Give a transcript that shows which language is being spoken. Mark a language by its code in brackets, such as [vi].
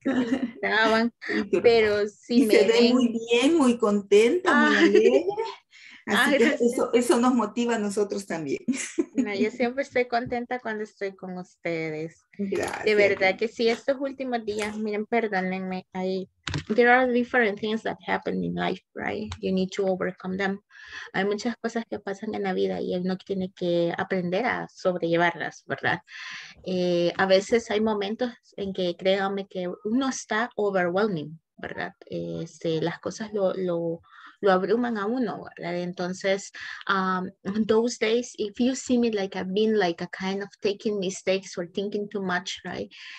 [es] Que me miraban. Pero sí, y me se ven. Se ve muy bien, muy contenta, muy alegre. Eso nos motiva a nosotros también. No, yo siempre estoy contenta cuando estoy con ustedes. Gracias. De verdad que sí, estos últimos días, miren, perdónenme ahí. [en] There are different things that happen in life, right? You need to overcome them. [es] Hay muchas cosas que pasan en la vida y uno tiene que aprender a sobrellevarlas, ¿verdad? A veces hay momentos en que, créanme, que uno está overwhelming, ¿verdad? Las cosas lo abruman a uno, ¿verdad? [en] Entonces, those days, if you see me like I've been like a kind of taking mistakes or thinking too much, right?